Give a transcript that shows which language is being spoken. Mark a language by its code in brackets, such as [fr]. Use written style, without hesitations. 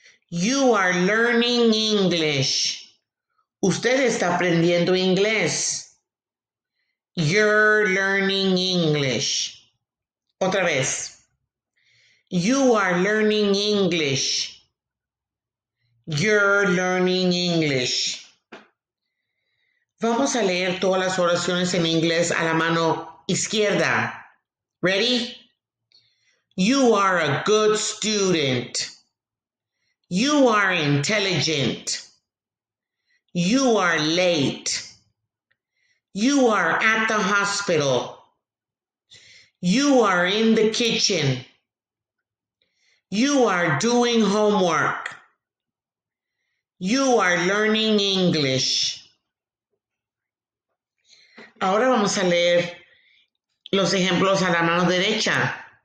[en] You are learning English. [es] Usted está aprendiendo inglés. [en] You're learning English. [es] Otra vez. [en] You are learning English. You're learning English. [es] Vamos a leer todas las oraciones en inglés a la mano izquierda. [en] Ready? You are a good student. You are intelligent. You are late. You are at the hospital. You are in the kitchen. You are doing homework. You are learning English. [es] Ahora vamos a leer los ejemplos a la mano derecha.